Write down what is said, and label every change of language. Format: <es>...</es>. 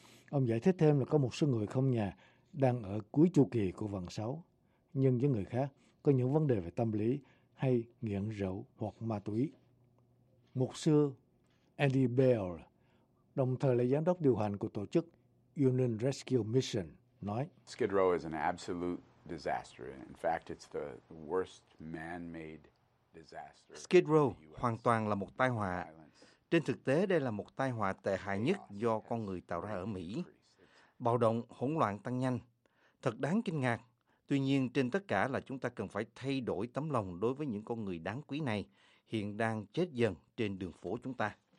<vi>Ông giải thích thêm là có một số người không nhà đang ở cuối chu kỳ của vòng 6, nhưng những người khác có những vấn đề về tâm lý hay nghiện rượu hoặc ma túy. Mục sư Andy Bell, đồng thời là giám đốc điều hành của tổ chức Union Rescue Mission, nói:</vi> <en>Skid Row is an absolute disaster. In fact, it's the worst man-made disaster.</en> <vi>Skid Row hoàn toàn là một tai họa. Trên thực tế, đây là một tai họa tệ hại nhất do con người tạo ra ở Mỹ. Bạo động, hỗn loạn tăng nhanh. Thật đáng kinh ngạc. Tuy nhiên, trên tất cả là chúng ta cần phải thay đổi tấm lòng đối với những con người đáng quý này, hiện đang chết dần trên đường phố chúng ta.</vi>